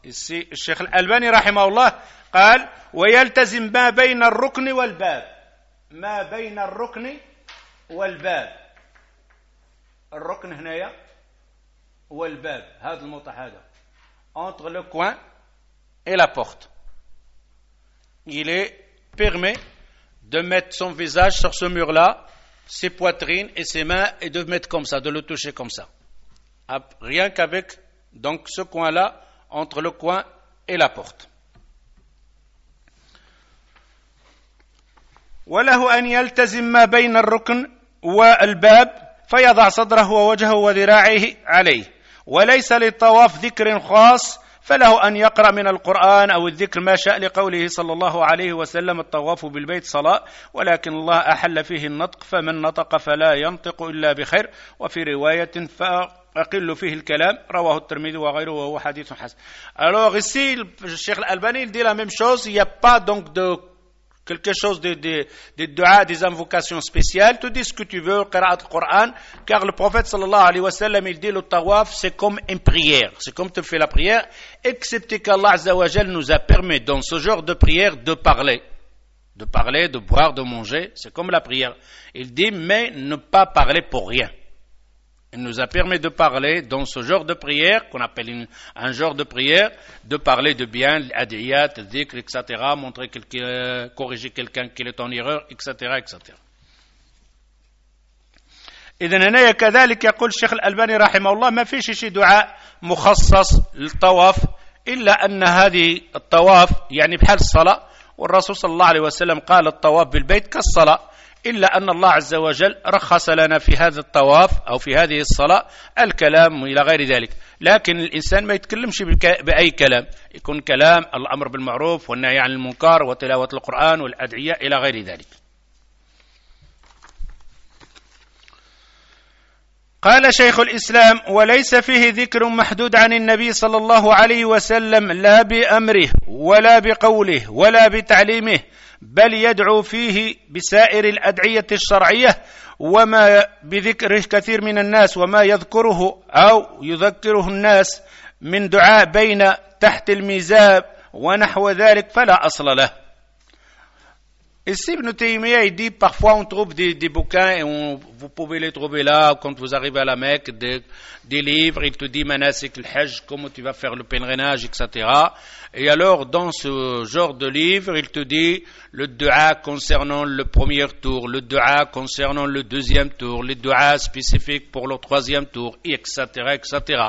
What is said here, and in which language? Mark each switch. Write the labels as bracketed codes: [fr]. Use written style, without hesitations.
[ar] الشيخ الألباني رحمه الله قال: ويلتزم ما بين الركن والباب، ما بين الركن والباب، الركن هنا والباب، هذا الموطع هذا [fr] entre le coin et la porte. Il est permis de mettre son visage sur ce mur là, ses poitrines et ses mains, et de mettre comme ça, de le toucher comme ça. Rien qu'avec donc ce coin là entre le coin et la porte. [ar] وله أن يلتزم ما بين الركن والباب، فيضع صدره ووجهه وذراعيه عليه. وليس للطواف ذكر خاص، فله أن يقرأ من القرآن أو الذكر ما شاء، لقوله صلى الله عليه وسلم: الطواف بالبيت صلاة، ولكن الله أحل فيه النطق، فمن نطق فلا ينطق إلا بخير. وفي رواية: أقل فيه الكلام، رواه الترمذي وغيره، وهو حديث حسن. [fr] alors ici الشيخ الألباني dit la même chose, il y a pas donc de quelque chose de dua, des invocations spéciales, tu dis ce que tu veux, qira'at al-Qur'an, car le prophète sallallahu alayhi wa sallam il dit le tawaf c'est comme une prière, c'est comme tu fais la prière, excepté qu'Allah azza wa jalla nous a permis dans ce genre de prière de parler, de boire, de manger, c'est comme la prière. Il dit mais ne pas parler pour rien. Il nous a permis de parler dans ce genre de prière, qu'on appelle un genre de prière, de parler de bien, adiyat, dhikr, etc., montrer quelqu'un, corriger quelqu'un qui est en erreur, etc., etc. [ar] إذن هنا كذلك يقول الشيخ الألباني رحمه الله: ما فيش شي دعاء مخصص للطواف، إلا أن هذه الطواف يعني بحال الصلاة، والرسول صلى الله عليه وسلم قال الطواف بالبيت كالصلاة، إلا أن الله عز وجل رخص لنا في هذا الطواف أو في هذه الصلاة الكلام إلى غير ذلك. لكن الإنسان ما يتكلمش بأي كلام، يكون كلام الأمر بالمعروف والنهي عن المنكر وتلاوة القرآن والأدعية إلى غير ذلك. قال شيخ الإسلام: وليس فيه ذكر محدود عن النبي صلى الله عليه وسلم، لا بأمره ولا بقوله ولا بتعليمه، بل يدعو فيه بسائر الأدعية الشرعية، وما بذكره كثير من الناس، وما يذكره أو يذكره الناس من دعاء بين تحت الميزاب ونحو ذلك فلا أصل له. [fr] Ici, Ibn Taymiyyah, il dit, parfois on trouve des bouquins et vous pouvez les trouver là, quand vous arrivez à la Mecque, des livres, il te dit, Manasik al-Hajj, comment tu vas faire le pèlerinage, etc. Et alors, dans ce genre de livre, il te dit, le dua concernant le premier tour, le dua concernant le deuxième tour, les duas spécifiques pour le troisième tour, etc., etc.